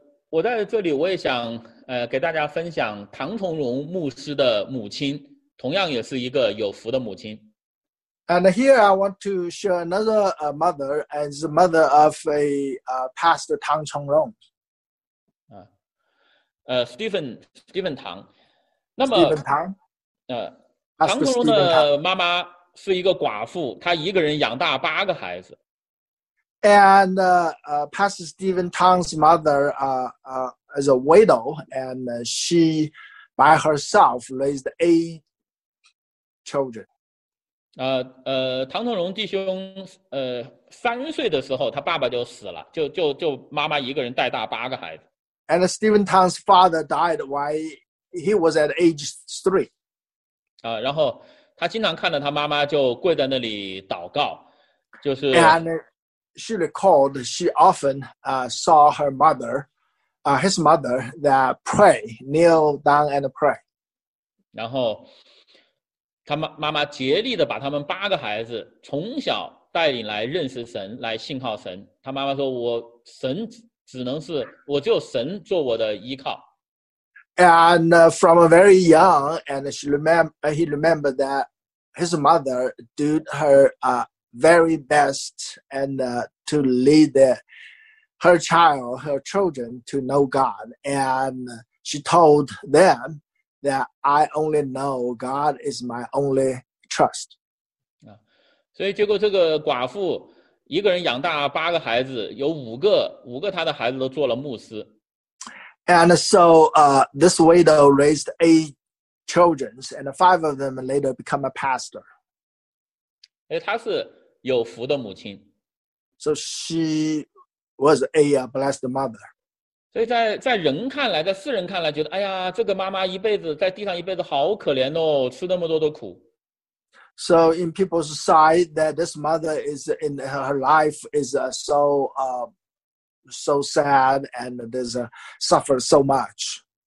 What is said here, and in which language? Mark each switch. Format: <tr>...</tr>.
<zh>我在这里我也想给大家分享唐崇荣牧师的母亲，同样也是一个有福的母亲。</zh> <en>And here I want to share another mother, and the mother of a pastor Tang Chongrong. Stephen Tang. Stephen Tang.</en> <zh>唐崇荣的妈妈是一个寡妇，她一个人养大八个孩子。</zh> <en>And Pastor Stephen Tang's mother is a widow, and she by herself raised eight children.</en> <zh>唐崇荣弟兄三岁的时候，他爸爸就死了，就妈妈一个人带大八个孩子。</zh> <en>And Stephen Tang's father died while he was at age three.</en> <zh>然后他经常看到他妈妈就跪在那里祷告，就是。</zh> <en>And she recalled she often saw her mother, his mother that pray, kneel down and pray.</en> <zh>然后他妈妈竭力的把他们八个孩子从小带领来认识神，来信靠神。他妈妈说：“我神只能是我只有神做我的依靠。”</zh> <en>And from a very young, and she remember, he remembered that his mother did her very best and to lead her children to know God. And she told them that I only know God is my only trust.</en> <zh>所以结果这个寡妇一个人养大八个孩子，有五个她的孩子都做了牧师。</zh> <en>And so this widow raised eight children, and five of them later become a pastor.</en> <zh>她是有福的母亲。</zh> <en>So she was a blessed mother.</en> <zh>所以在人看来，在世人看来，觉得哎呀，这个妈妈一辈子在地上一辈子好可怜哦，吃那么多的苦。</zh> <en>So in people's sight, that this mother is in her life is so so sad and does suffer so much.</en>